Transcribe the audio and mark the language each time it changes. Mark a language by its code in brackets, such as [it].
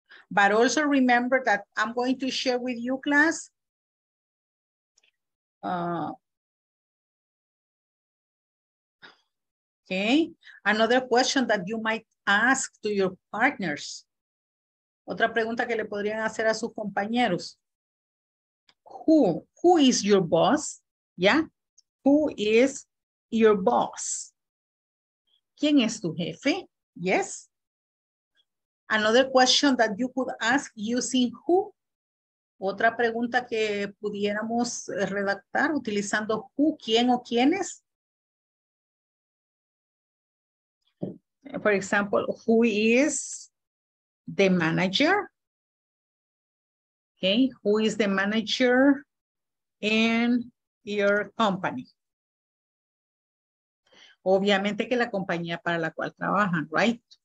[en] But also remember that I'm going to share with you, class. Okay. Another question that you might ask to your partners. [es] Otra pregunta que le podrían hacer a sus compañeros. [en] Who is your boss? Yeah. Who is your boss? [es] ¿Quién es tu jefe? Yes. [en] Another question that you could ask using who. [es] Otra pregunta que pudiéramos redactar utilizando who, quién o quiénes. [en] For example, who is the manager. Okay, who is the manager in your company? [es] Obviamente que la compañía para la cual trabajan, right?